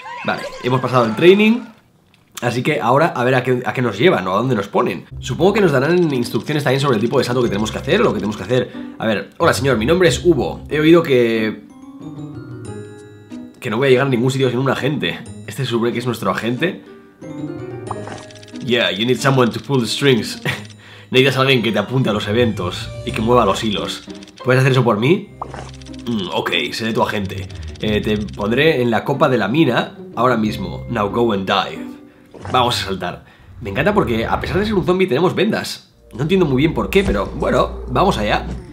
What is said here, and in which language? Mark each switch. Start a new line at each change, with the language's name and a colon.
Spanish: Vale, hemos pasado el training. Así que ahora a ver a qué nos llevan o a dónde nos ponen. Supongo que nos darán instrucciones también sobre el tipo de salto que tenemos que hacer, lo que tenemos que hacer. A ver, hola señor, mi nombre es Hubo. He oído que no voy a llegar a ningún sitio sin un agente. Este supone que es nuestro agente.
English: Yeah, you need someone to pull the strings.
Spanish: Necesitas a alguien que te apunte a los eventos y que mueva los hilos. ¿Puedes hacer eso por mí? Ok, seré tu agente. Te pondré en la copa de la mina ahora mismo.
English: Now go and dive.
Spanish: Vamos a saltar. Me encanta porque a pesar de ser un zombie tenemos vendas. No entiendo muy bien por qué, pero bueno, vamos allá.